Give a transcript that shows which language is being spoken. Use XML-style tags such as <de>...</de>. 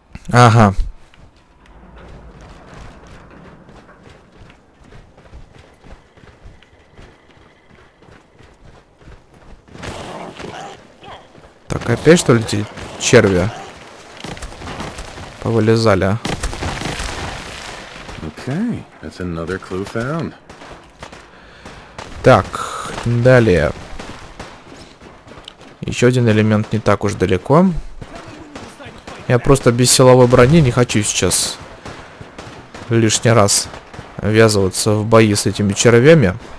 <ru>Ага. Так, опять что ли эти черви? Повылезали.</ru> <en>Okay, that's another clue found.</en> <ru>Так, далее. Еще один элемент не так уж далеко. Я просто без силовой брони не хочу сейчас лишний раз ввязываться в бои с этими червями.</ru>